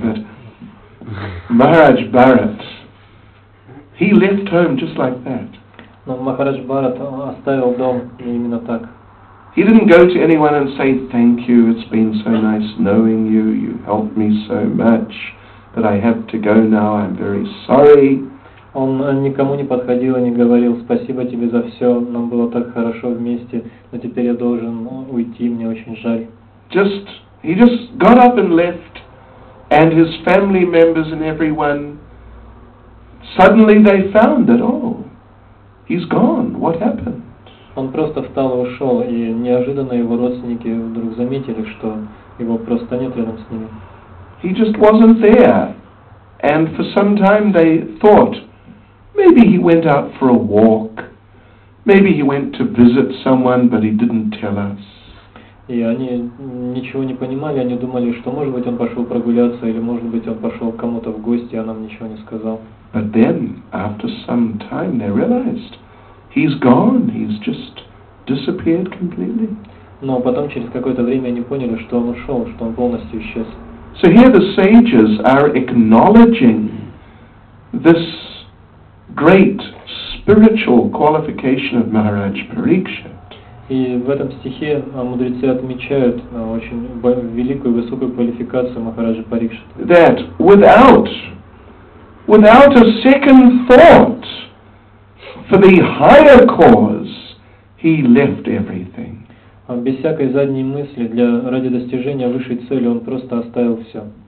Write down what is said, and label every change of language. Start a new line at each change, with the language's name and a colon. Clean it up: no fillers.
English: But Maharaj Bharat, he left home just like that.
Russian: Но Махарадж Бхарат оставил дом именно так.
English: He didn't go to anyone and say, thank you, it's been so nice knowing you, you helped me so much, but I have to go now, I'm very sorry.
Russian: Он никому не подходил и не говорил, спасибо тебе за все, нам было так хорошо вместе, но теперь я должен уйти, мне очень жаль.
English: He just got up and left, and his family members and everyone, suddenly they found that, oh, he's gone, what happened?
Russian: Он просто встал и ушел, и неожиданно его родственники вдруг заметили, что его просто нет рядом с ними.
English: He just wasn't there. And for some time they thought, maybe he went out for a walk. Maybe he went to visit someone, but he didn't tell us.
Russian: И они ничего не понимали, они думали, что может быть он пошел прогуляться, или может быть он пошел к кому-то в гости, а нам ничего не сказал.
English: But then, after some time, they realized, he's gone, he's just disappeared completely.
Russian: Но потом через какое-то время они поняли, что он ушел, что он полностью исчез.
English: So here the sages are acknowledging this great spiritual qualification of Maharaj Parikshit.
Russian: И в этом стихе мудрецы отмечают очень великую и высокую квалификацию Махараджа Парикшит.
English: That without a second thought, for the higher cause, he left everything.
Russian: Без всякой задней мысли, ради достижения высшей цели, он просто оставил все.